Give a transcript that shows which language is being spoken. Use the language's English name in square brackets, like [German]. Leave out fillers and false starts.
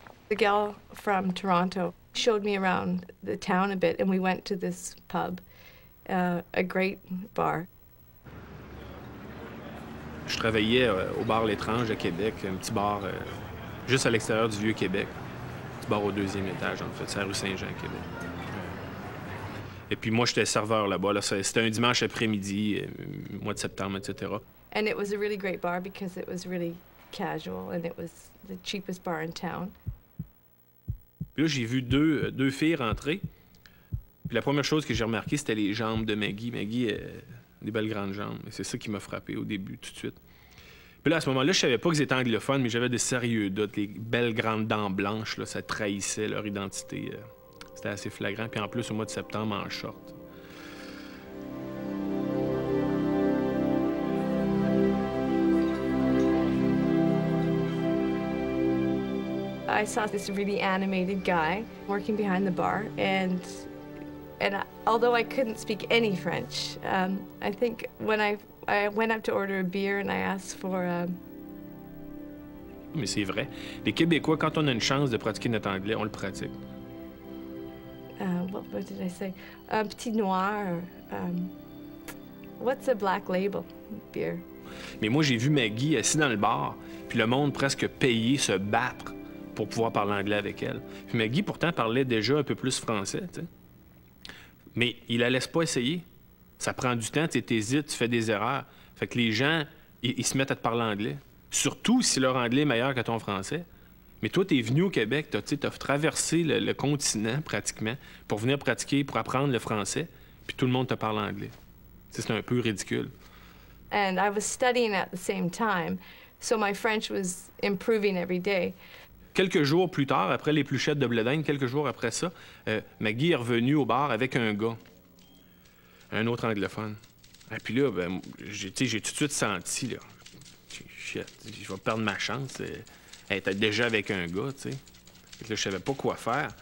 [English] The girl from Toronto showed me around the town a bit, and we went to this pub, a great bar. [French] Je travaillais au bar L'Étrange à Québec, un petit bar juste à l'extérieur du vieux Québec, un petit bar au deuxième étage en fait, c'est la rue Saint-Jean à Québec. Et puis moi, j'étais serveur là-bas. Là, c'était un dimanche après-midi, mois de septembre, etc. [English] And it was a really great bar because it was really casual and it was the cheapest bar in town. [French] Puis là, j'ai vu deux filles rentrer. Puis la première chose que j'ai remarqué, c'était les jambes de Maggie. Maggie a des belles grandes jambes. Et c'est ça qui m'a frappé au début, tout de suite. Puis là, à ce moment-là, je savais pas qu'ils étaient anglophones, mais j'avais de sérieux doutes. Les belles grandes dents blanches, là, ça trahissait leur identité. C'était assez flagrant. Puis en plus, au mois de septembre, en short. [English] I saw this really animated guy working behind the bar, and although I couldn't speak any French, I think when I went up to order a beer and I asked for a... [French] Mais c'est vrai. Les Québécois, quand on a une chance de pratiquer notre anglais, on le pratique. [English] What did I say? [French] Un petit noir. [English] What's a black label beer? [French] Mais moi, j'ai vu Maggie assis dans le bar, puis le monde presque payé se battre pour pouvoir parler anglais avec elle. Puis Maggie, pourtant, parlait déjà un peu plus français, tu sais. Mais il la laisse pas essayer. Ça prend du temps, tu hésites, tu fais des erreurs. Fait que les gens, ils se mettent à te parler anglais. Surtout si leur anglais est meilleur que ton français. Mais toi, tu es venu au Québec, tu sais, t'as traversé le continent, pratiquement, pour venir pratiquer, pour apprendre le français, puis tout le monde te parle anglais. T'sais, c'est un peu ridicule. [English] And I was studying at the same time, so my French was improving every day. [French] Quelques jours plus tard, après les pluchettes de Bledin, quelques jours après ça, Maggie est revenue au bar avec un gars, un autre anglophone. Et puis là, ben, j'ai tout de suite senti, là, shit, je vais perdre ma chance. Elle était déjà avec un gars, tu sais. Là, je savais pas quoi faire.